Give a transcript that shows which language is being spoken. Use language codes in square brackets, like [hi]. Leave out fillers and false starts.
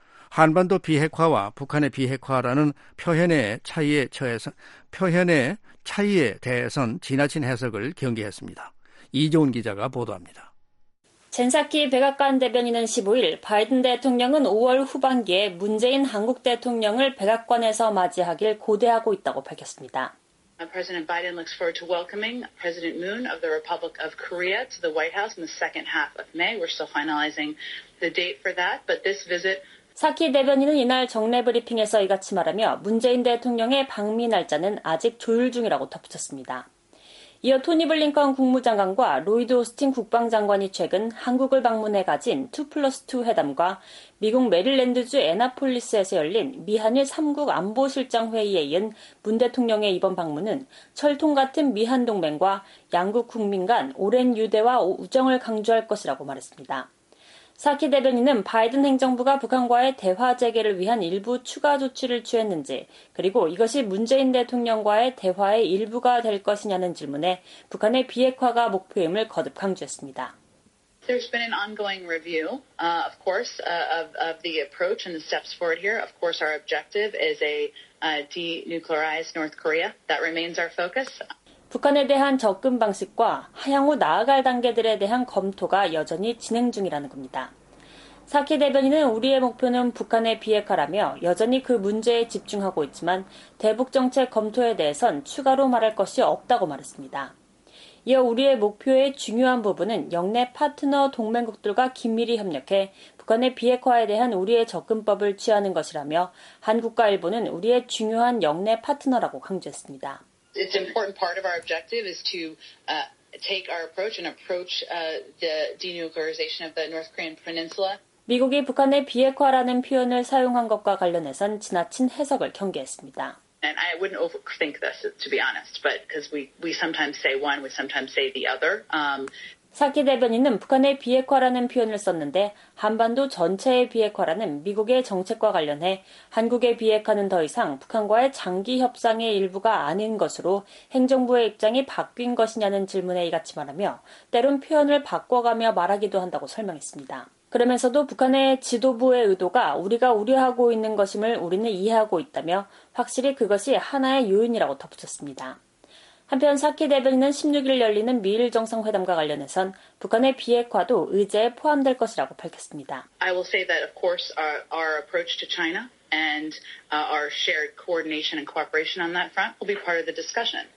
[ko] 한반도 비핵화와 북한의 비핵화라는 표현의 차이에 대해선 지나친 해석을 경계했습니다. 이종훈 기자가 보도합니다. 젠사키 백악관 대변인은 15일 바이든 대통령은 5월 후반기에 문재인 한국 대통령을 백악관에서 맞이하길 고대하고 있다고 밝혔습니다. [en] President Biden looks forward to welcoming President Moon of the Republic of Korea to the White House in the second half of May. We're still finalizing the date for that, but this visit. [ko] 사키 대변인은 이날 정례 브리핑에서 이같이 말하며 문재인 대통령의 방미 날짜는 아직 조율 중이라고 덧붙였습니다. 이어 토니 블링컨 국무장관과 로이드 오스틴 국방장관이 최근 한국을 방문해 가진 2+2 회담과 미국 메릴랜드주 애나폴리스에서 열린 미한일 3국 안보실장 회의에 이은 문 대통령의 이번 방문은 철통 같은 미한 동맹과 양국 국민 간 오랜 유대와 우정을 강조할 것이라고 말했습니다. 사키 대변인은 바이든 행정부가 북한과의 대화 재개를 위한 일부 추가 조치를 취했는지 그리고 이것이 문재인 대통령과의 대화의 일부가 될 것이냐는 질문에 북한의 비핵화가 목표임을 거듭 강조했습니다. [en] There's been an ongoing review, of course, of the approach and the steps forward here. Of course, our objective is a denuclearized North Korea. That remains our focus. [ko] 북한에 대한 접근 방식과 향후 나아갈 단계들에 대한 검토가 여전히 진행 중이라는 겁니다. 사키 대변인은 우리의 목표는 북한의 비핵화라며 여전히 그 문제에 집중하고 있지만 대북 정책 검토에 대해선 추가로 말할 것이 없다고 말했습니다. 이어 우리의 목표의 중요한 부분은 역내 파트너 동맹국들과 긴밀히 협력해 북한의 비핵화에 대한 우리의 접근법을 취하는 것이라며 한국과 일본은 우리의 중요한 역내 파트너라고 강조했습니다. [en] It's important part of our objective is to take our approach and approach the denuclearization of the North Korean peninsula. [ko] 미국이 북한의 비핵화라는 표현을 사용한 것과 관련해선 지나친 해석을 경계했습니다. [en] And I wouldn't overthink this to be honest, but because we sometimes say one, we sometimes say the other. [ko] 사키 대변인은 북한의 비핵화라는 표현을 썼는데 한반도 전체의 비핵화라는 미국의 정책과 관련해 한국의 비핵화는 더 이상 북한과의 장기 협상의 일부가 아닌 것으로 행정부의 입장이 바뀐 것이냐는 질문에 이같이 말하며 때론 표현을 바꿔가며 말하기도 한다고 설명했습니다. 그러면서도 북한의 지도부의 의도가 우리가 우려하고 있는 것임을 우리는 이해하고 있다며 확실히 그것이 하나의 요인이라고 덧붙였습니다. 한편 사키 대변인은 16일 열리는 미일 정상회담과 관련해선 북한의 비핵화도 의제에 포함될 것이라고 밝혔습니다. [en] I will say that of course our approach to China and our shared coordination and cooperation on that front will be part of the discussion.